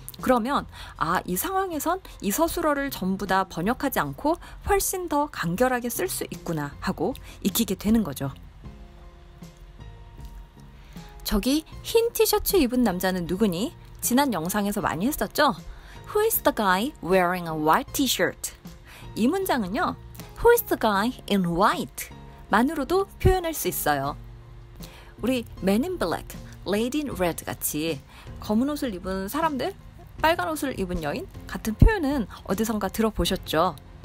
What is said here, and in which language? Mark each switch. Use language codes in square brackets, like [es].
[ko] 그러면 아, 이 상황에선 이 서술어를 전부 다 번역하지 않고 훨씬 더 간결하게 쓸 수 있구나 하고 익히게 되는 거죠. 저기 흰 티셔츠 입은 남자는 누구니? 지난 영상에서 많이 했었죠? [en] Who is the guy wearing a white t-shirt? [ko] 이 문장은요. [en] Who is the guy in white? [ko] 만으로도 표현할 수 있어요. 우리 Men in Black, Lady in Red 같이 검은 옷을 입은 사람들, 빨간 옷을 입은 여인 같은 표현은 어디선가 들어보셨죠?